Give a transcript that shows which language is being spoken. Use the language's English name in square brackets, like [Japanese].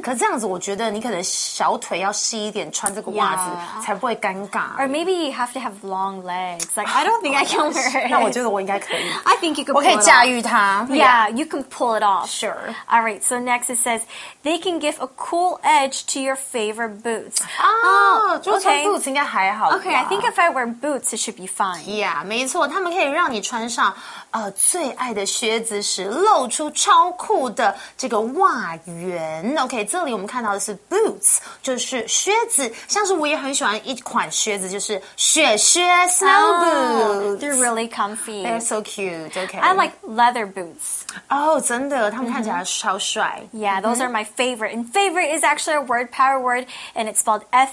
[Chinese] 可这样子我觉得你可能小腿要细一点穿这个袜子、yeah. 才不会尴尬 [English] Or maybe you have to have long legs Like I don't think、oh, I can wear it [Chinese] 那我觉得我应该可以 [English] I think you can [Chinese] 我可以驾驭它 [English] Yeah, you can pull it off Sure Alright, so next it says They can give a cool edge to your your favorite boots. Oh, okay. [Chinese] 穿 boots 应该还好吧。 [English] Okay, I think if I wear boots, it should be fine. [Chinese] Yeah, 没错，他们可以让你穿上最爱的靴子时露出超酷的这个袜缘。 Okay, 这里我们看到的是 boots, 就是靴子。像是我也很喜欢一款靴子，就是雪靴 snow boots. [English] They're really comfy. They're so cute. Okay, I like leather boots. [Chinese] Oh, 真的，他们看起来超帅。 [English] Mm-hmm. Yeah, those are my favorite. And favorite is actually a word, power word, and it's spelled favorite.